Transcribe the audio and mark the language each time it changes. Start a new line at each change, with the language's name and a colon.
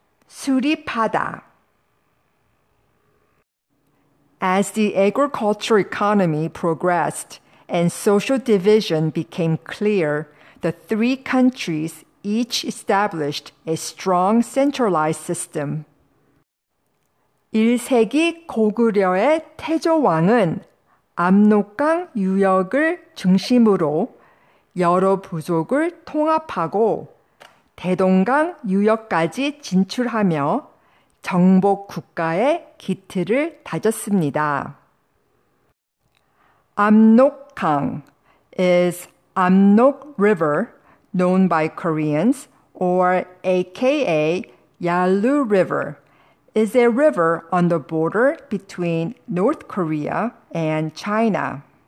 Korean: 수립하다.
English: As the agriculture economy progressed and social division became clear, the three countries each established a strong centralized system.
Korean: 1세기 고구려의 태조왕은 압록강 유역을 중심으로 여러 부족을 통합하고 대동강 유역까지 진출하며 정복 국가의 기틀을 다졌습니다.
English: 압록강 is Amnok River, known by Koreans, or aka Yalu River, is a river on the border between North Korea and China.